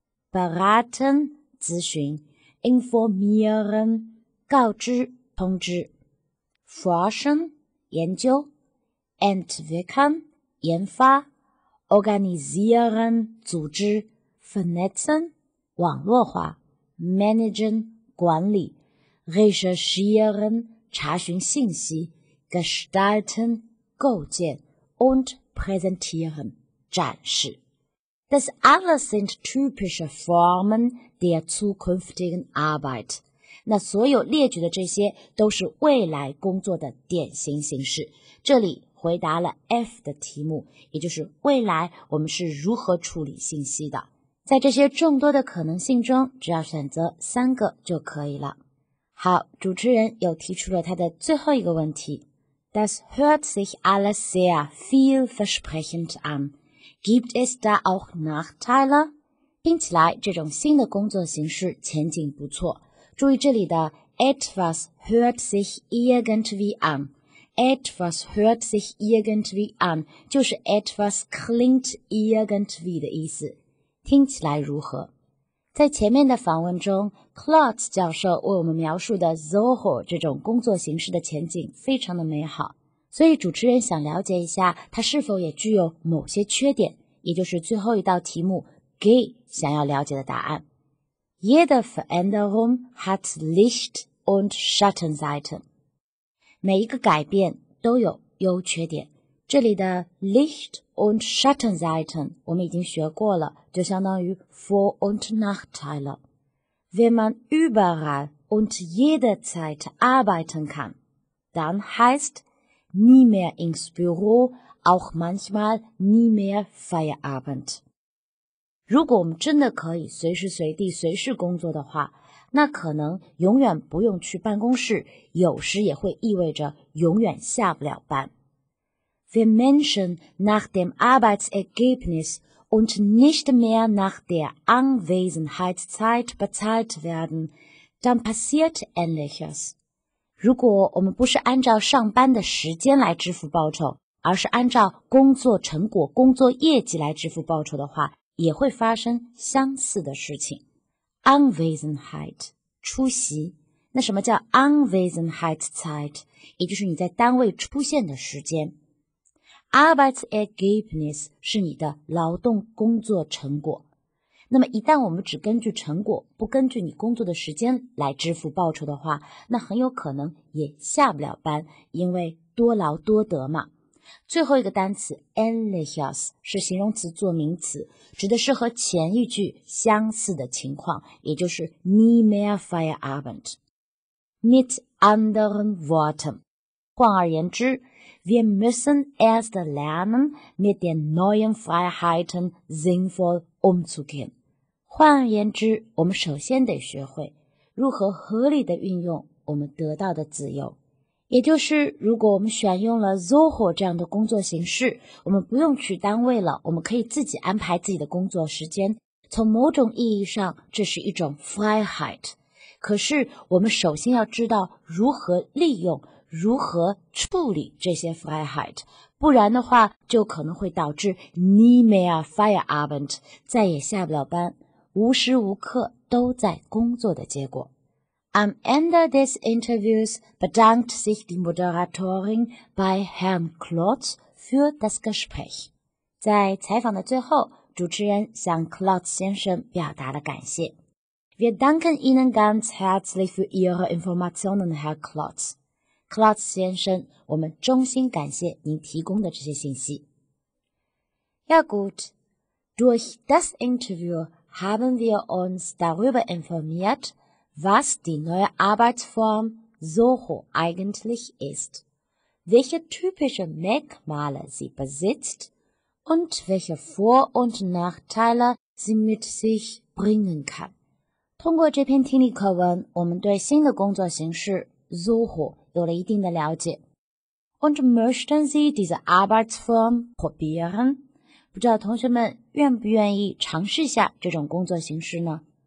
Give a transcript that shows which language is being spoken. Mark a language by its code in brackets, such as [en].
[de] beraten 咨询， informieren 告知通知， forschen 研究， entwickeln 研发， organisieren 组织， vernetzen 网络化， managen 管理， recherchieren 查询信息， gestalten 构建， und präsentieren 展示。 Das alles sind typische Formen der zukünftigen Arbeit。 [zh] 那所有列举的这些都是未来工作的典型形式。这里回答了 F 的题目，也就是未来我们是如何处理信息的。在这些众多的可能性中，只要选择三个就可以了。好，主持人又提出了他的最后一个问题。 [de] Das hört sich alles sehr vielversprechend an. Gibt es da auch Nachteile? [zh] 听起来这种新的工作形式前景不错。注意这里的 [de] etwas hört sich irgendwie an. Etwas hört sich irgendwie an [zh] 就是 [de] etwas klingt irgendwie [zh] 的意思。听起来如何？在前面的访问中 ，Claude 教授为我们描述的 Zoho 这种工作形式的前景非常的美好，所以主持人想了解一下它是否也具有某些缺点，也就是最后一道题目 Gay 想要了解的答案。 [de] Jede Veränderung hat Licht und Schattenseiten。 [zh] 每一个改变都有优缺点。这里的 [de] Licht und Schattenseiten [zh] 我们已经学过了，就相当于 [de] Vor- und Nachteile。 Wenn man überall und jederzeit arbeiten kann, dann heißt nie mehr ins Büro, auch manchmal nie mehr Feierabend。 [zh] 如果我们真的可以随时随地随时工作的话，那可能永远不用去办公室，有时也会意味着永远下不了班。 [de] Wir Menschen nach dem Arbeitsergebnis und nicht mehr nach der Anwesenheitszeit bezahlt werden, dann passiert Ähnliches. [zh] 如果我们不是按照上班的时间来支付报酬，而是按照工作成果、工作业绩来支付报酬的话，也会发生相似的事情。 [de] Anwesenheit, 出席。 [zh] 那什么叫 Anwesenheitszeit? 也就是你在单位出现的时间。 Arbeitsergebnis 是你的劳动工作成果。那么一旦我们只根据成果，不根据你工作的时间来支付报酬的话，那很有可能也下不了班，因为多劳多得嘛。最后一个单词 ,ähnliches, 是形容词做名词，指的是和前一句相似的情况，也就是 [de] nie mehr Feierabend。 Mit anderen Worten。 [zh] 换而言之， [de] wir müssen erst lernen, mit den neuen Freiheiten sinnvoll umzugehen. [zh] 换而言之，我们首先得学会如何合理地运用我们得到的自由。也就是，如果我们选用了 Zoho 这样的工作形式，我们不用去单位了，我们可以自己安排自己的工作时间。从某种意义上，这是一种 Freiheit。可是，我们首先要知道如何利用如何处理这些 Freiheit， 不然的话就可能会导致 [de] nie mehr Feierabend， [zh] 再也下不了班，无时无刻都在工作的结果。 [de] Am Ende des Interviews bedankt sich die Moderatorin bei Herrn Klotz für das Gespräch。 [zh] 在采访的最后，主持人向 Klotz 先生表达了感谢。 [de] Wir danken Ihnen ganz herzlich für Ihre Informationen, Herr KlotzClaude [zh] 先生，我们衷心感谢您提供的这些信息。 [de] Ja gut, durch das Interview haben wir uns darüber informiert, was die neue Arbeitsform Zoho eigentlich ist, welche typischen Merkmale sie besitzt und welche Vor- und Nachteile sie mit sich bringen kann. [zh] 通过这篇听力课文，我们对新的工作形式 Zoho有了一定的了解。 [de] Und möchten Sie diese Arbeitsform probieren? [zh] 不知道同学们愿不愿意尝试一下这种工作形式呢？